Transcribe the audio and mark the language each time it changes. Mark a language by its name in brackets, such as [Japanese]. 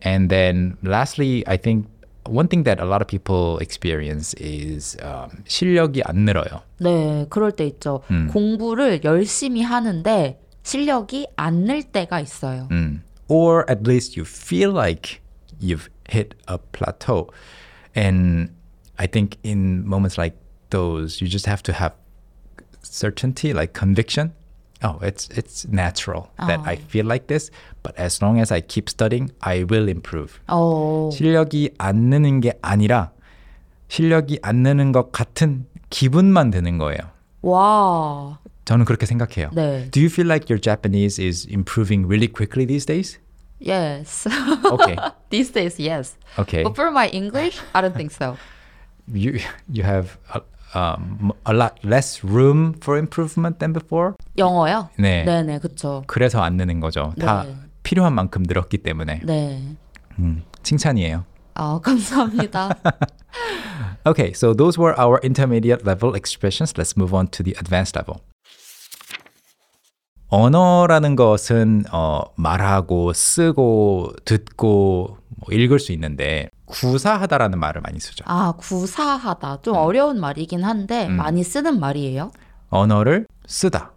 [English] And then lastly, I think one thing that a lot of people experience is [Korean] 실력이 안 늘어요. 네, 그럴 때 있죠. 공부를 열심히 하는데 실력이 안 늘 때가 있어요. [English] Or at least you feel like you've hit a plateau. And I think in moments like those, you just have to have certainty, like conviction. Oh, it's natural that I feel like this, but as long as I keep studying, I will improve. Oh. [Korean] 실력이 안 느는 게 아니라 실력이 안 느는 것 같은 기분만 드는 거예요. 와. 저는 그렇게 생각해요. 네. [English] Do you feel like your Japanese is improving really quickly these days? Yes. Okay. These days, yes. Okay. But for my English, I don't think so. you have a lot less room for improvement than before. [Korean] 영어요? 네. 네, 네, 그렇죠. 그래서 안 느는 거죠. 네. 다 필요한 만큼 늘었기 때문에. 네. 칭찬이에요. 아, 감사합니다. [English] Okay, so those were our intermediate level expressions. Let's move on to the advanced level. [Korean] 언어라는 것은 말하고 쓰고 듣고 뭐 읽을 수 있는데 구사하다라는 말을 많이 쓰죠. 아, 구사하다. 좀 어려운 말이긴 한데 많이 쓰는 말이에요. 언어를 쓰다.